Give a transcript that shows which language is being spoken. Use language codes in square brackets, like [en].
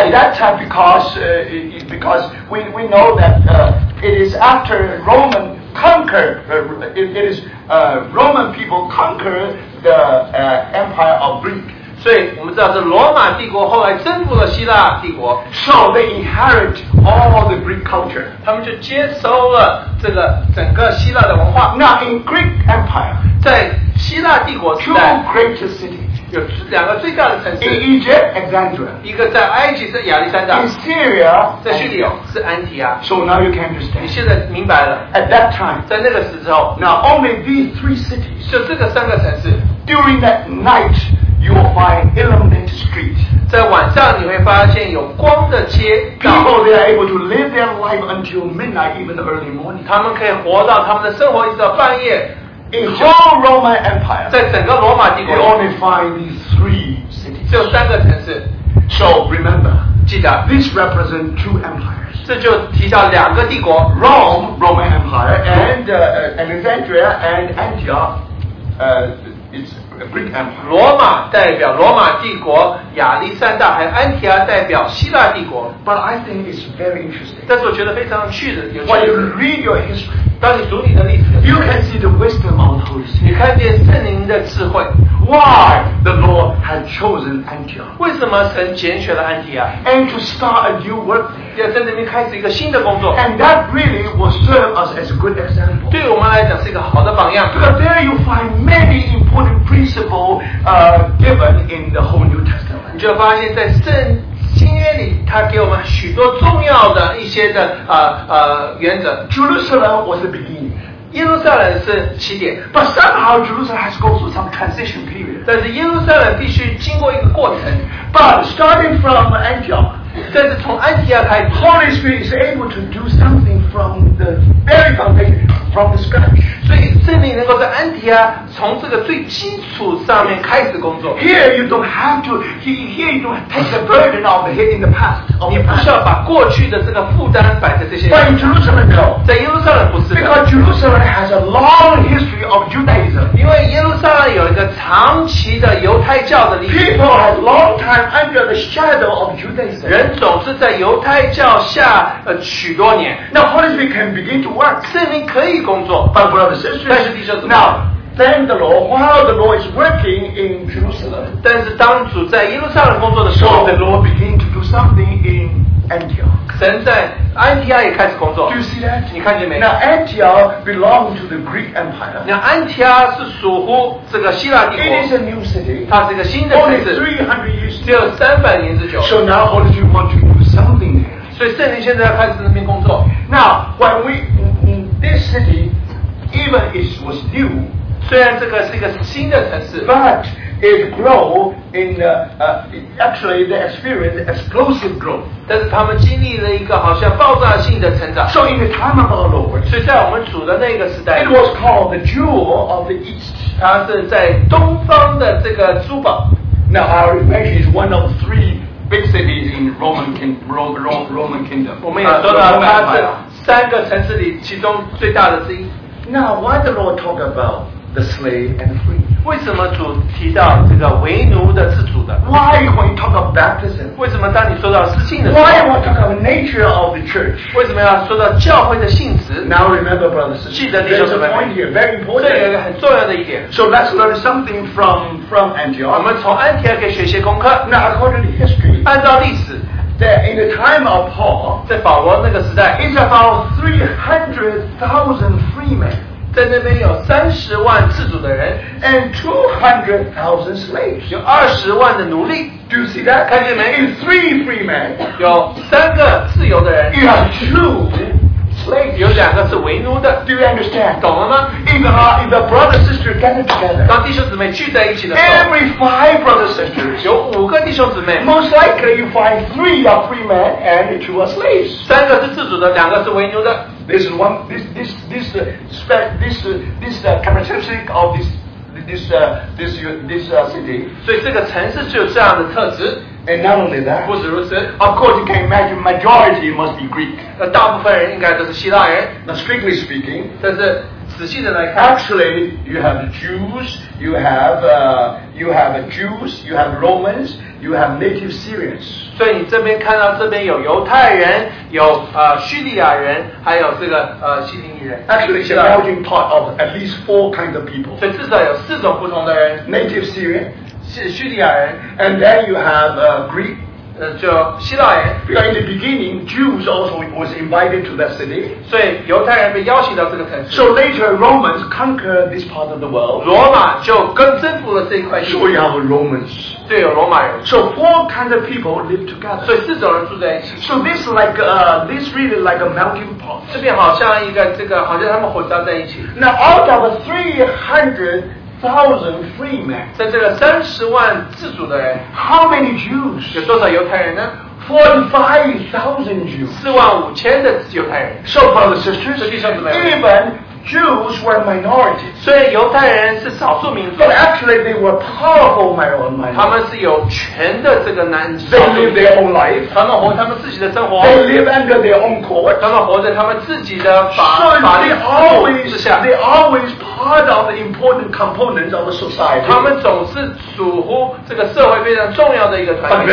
[en] At that time, because we know that it is after Roman conquered, Roman people conquered the empire of Greek. [zh] 所以我们知道是罗马帝国后来征服了希腊帝国。 [en] So they inherit all the Greek culture. [zh] 他们就接收了这个整个希腊的文化。 [en] Now in Greek Empire, [zh] 在希腊帝国时代 [en] two greatest cities. [zh] 有两个最大的城市。 [en] In Egypt, Alexandria. [zh] 一个在埃及是亚历山大。 [en] In Syria, [zh] 在叙利亚是安提阿。 [en] So now you can understand. [zh] 你现在明白了。 [en] At that time, [zh] 在那个时候。 [en] Now only these three cities. [zh] 就这个三个城市。 [en] During that night,you will find illuminated streets. [zh] 在晚上你会发现有光的街道。 [en] People, they are able to live their life until midnight, even the early morning. [zh] 他们可以活到他们的生活一直到半夜。 [en] In whole Roman Empire, [zh] 在整个罗马帝国， [en] you only find these three cities. [zh] 只有三个城市。 [en] So remember, [zh] 记得， [en] this represents two empires. [zh] 这就提到两个帝国， [en] Rome, Roman Empire, and Alexandria and Antioch, it's. Greek Empire. [zh] 罗马代表罗马帝国，亚历山大还安提阿代表希腊帝国。 [en] But I think it's very interesting. [zh] 但是我觉得非常有趣的。 [en] When you read your history, [zh] 当你读你的历史的时候， [en] you can see the wisdom of the Holy Spirit. [zh] 你看见圣灵的智慧。 [en] Why the Lord had chosen Antioch? [zh] 为什么神拣选了安提阿？ [en] And to start a new work there. [zh] 要在那边开始一个新的工作。 [en] And that really will serve us as a good example. [zh] 对我们来讲是一个好的榜样。 [en] Because there you find many important principles given in the whole New Testament. [zh] 你就发现在圣新约里，他给我们许多重要的一些的原则。 [en] Jerusalem was the beginning. [zh] 耶路撒冷是起点， [en] but somehow Jerusalem has gone through some transition period. [zh] 但是耶路撒冷必须经过一个过程。 [en] But starting from Antioch, [zh] 但是从安提阿开始， [en] Holy Spirit is able to do something from the very foundation, from the scratch. [zh] 所以圣灵能够在安提阿从这个最基础上面开始工作。 [en] Here you don't have to, here you don't take the burden of the hit in the past. [zh] 你不需要把过去的这个负担摆在这些。 [en] But in Jerusalem, no. [zh] 在耶路撒冷不是的。 [en] Because Jerusalem has a long history of Judaism. [zh] 因为耶路撒冷有一个长期的犹太教的历史。 [en] People have long time under the shadow of Judaism. [zh] 人总是在犹太教下许多年。 [en] Now Holy Spirit can begin to work. [zh] 圣灵可以工作。 [en] But brothers and sisters, [zh] 但是弟兄姊妹。 [en] Now,Thank the Lord, while the Lord is working in Jerusalem. [zh] 但是当主在耶路撒冷工作的时候， [en] so the Lord began to do something in Antioch. [zh] 神在安提阿也开始工作。 [en] Do you see that? [zh] 你看见没？ [en] Now Antioch belonged to the Greek Empire. [zh] 那安提阿是属乎这个希腊帝国。 [en] It is a new city. [zh] 它是一个新的城市。 [en] Only 300 years. [zh] 只有300年之久。 [en] So now Holy Spirit wants to do something there. [zh] 所以圣灵现在要开始在那边工作。 [en] Now when we in this city, even it was new. [zh] 虽然这个是一个新的城市， [en] but it grow in the, actually they experience explosive growth. [zh] 但是他们经历了一个好像爆炸性的成长。 [en] So in the time of our Lord, [zh] 所以在我们主的那个时代, [en] it was called the jewel of the East. [zh] 它是在东方的这个珠宝。 [en] Now our imagine is one of three big cities in Roman, Roman Kingdom. [zh] 我们也说到它是三个城市里其中最大的之一。 [en] Now why the Lord talk about the slave and the free? [zh] 为什么主提到这个为奴的是主的? [en] Why when you talk about baptism? [zh] 为什么当你说到施浸的时候? [en] Why when you talk about the nature of the church? [zh] 为什么要说到教会的性质? [en] Now remember, brothers and sisters, there's a point here, very important. So let's learn something from Antioch. [zh] 我们从安提阿可以学些功课。 [en] Now according to history, [zh] 按照历史, [en] that in the time of Paul, [zh] 在保罗那个时代, [en] it's about 300,000 free men. [zh] 在那边有30万自主的人 [en] and 200,000 slaves. [zh] 有20万的奴隶。 [en] Do you see that? [zh] 看见没? [en] In three free men, [zh] 有三个自由的人。 [en] You have two slaves. [zh] 有两个是为奴的。 [en] Do you understand? [zh] 懂了吗? [en] If the brother sister gathered together, [zh] 当弟兄姊妹聚在一起的时候, [en] every five brother sisters, [zh] 有5个弟兄姊妹, [en] most likely you find three are free men and two are slaves. [zh] 三个是自主的, 两个是为奴的。 [en] This is one. This characteristic of this city. And not only that, [zh] 不止如此, [en] of course you can imagine majority must be Greek. Now strictly speaking, [zh] 但是仔细的来看, [en] actually you have the Jews, you have Romans, you have native Syrians. [zh] 所以你这边看到这边有犹太人，有叙利亚人，还有这个西林人。 [en] Actually, it's a melting pot of at least four kinds of people. [zh] 所以至少有四种不同的人。 [en] Native Syrian. [zh] 是叙利亚人。 [en] And then you have Greek. [zh] 就希腊人。 [en] Because in the beginning, Jews also was invited to that city. [zh] 所以犹太人被邀请到这个城市。 [en] So later, Romans conquered this part of the world. [zh] 罗马就更征服了这一块地。 [en] So you have Romans. [zh] 对，有罗马人。 [en] So four kinds of people live together. [zh] 所以四种人住在一起。 [en] So this like this really like a melting pot. [zh] 这边好像一个这个，好像他们混杂在一起。 [en] Now out of 300,000 free men, [zh] 在这个30万自主的人, [en] how many Jews? [zh] 有多少犹太人呢？ [en] 45,000 Jews. [zh] 45,000的犹太人。 [en] So brothers and sisters, [zh] 所以弟兄姊妹, [en] even Jews were minority. [zh] 所以犹太人是少数民族。 [en] But actually they were powerful minority. [zh] 他们是有权的这个男子。 [en] They live their own life. [zh] 他们活他们自己的生活。 [en] They live under their own court. [zh] 他们活在他们自己的法律之下。 [en] They always part of the important components of the society. [zh] 他们总是属乎这个社会非常重要的一个团体。